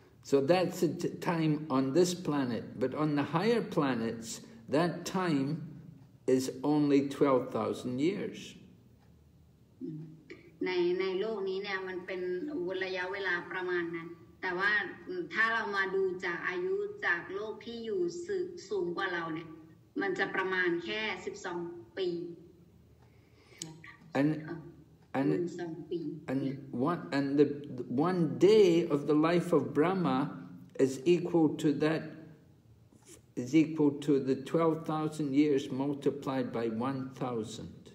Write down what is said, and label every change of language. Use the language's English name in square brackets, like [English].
[English] So that's the time on this planet, but on the higher planets, that time is only 12,000 years. [Thai] ในโลกนี้เนี่ยมันเป็นระยะเวลาประมาณนั้นแต่ว่าถ้าเรามาดูจากอายุจากโลกที่อยู่สูงกว่าเราเนี่ยมันจะประมาณแค่12ปี. [English] And one day of the life of Brahma is equal to the 12,000 years multiplied by 1,000.